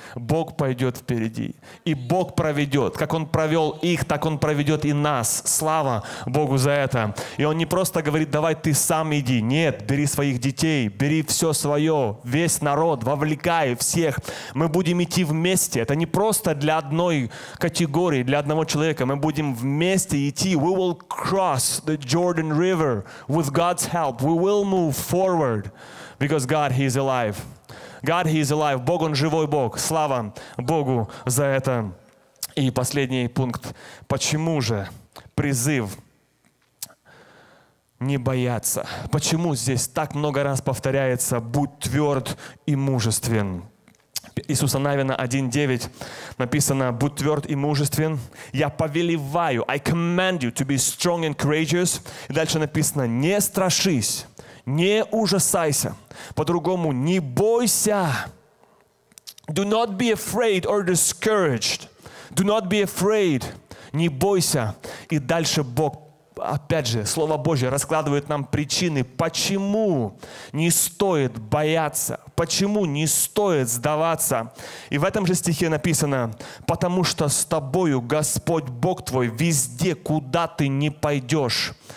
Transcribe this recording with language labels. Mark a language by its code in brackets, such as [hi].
[ru] Бог пойдет впереди. И Бог проведет. Как Он провел их, так Он проведет и нас. Слава Богу за это. И Он не просто говорит, давай ты сам иди. Нет, бери своих детей, бери все свое, весь народ, вовлекай всех. Мы будем идти вместе. Это не просто для одной категории, для одного человека. Мы будем вместе идти. [en] We will cross the Jordan River with God's help. We will move forward because God, He is alive. God, He is alive. [ru] Бог, Он живой Бог. Слава Богу за это. И последний пункт. Почему же призыв не бояться? Почему здесь так много раз повторяется «будь тверд и мужествен»? Иисуса Навина 1.9 написано «будь тверд и мужествен». «Я повелеваю», [en] «I command you to be strong and courageous». [ru] И дальше написано «не страшись». Не ужасайся. По-другому, не бойся. [en] Do not be afraid or discouraged. Do not be afraid. [ru] Не бойся. И дальше Бог, опять же, Слово Божье раскладывает нам причины, почему не стоит бояться, почему не стоит сдаваться. И в этом же стихе написано, потому что с тобою Господь Бог твой везде, куда ты не пойдешь.